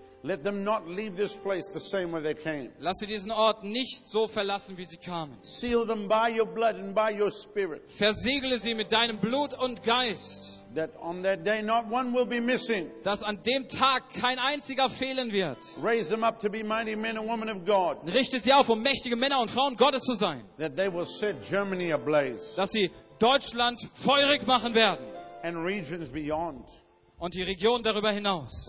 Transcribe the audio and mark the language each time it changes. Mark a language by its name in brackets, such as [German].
[English] Let them not leave this place the same way they came. [German] Lass sie diesen Ort nicht so verlassen, wie sie kamen. [English] Seal them by your blood and by your spirit. [German] Versiegle sie mit deinem Blut und Geist. [English] That on that day not one will be missing. [German] Dass an dem Tag kein einziger fehlen wird. [English] Raise them up to be mighty men and women of God. [German] Richte sie auf, um mächtige Männer und Frauen Gottes zu sein. [English] That they will set Germany ablaze. [German] Dass sie Deutschland feurig machen werden. [English] And regions beyond. [German] Und die Region darüber hinaus.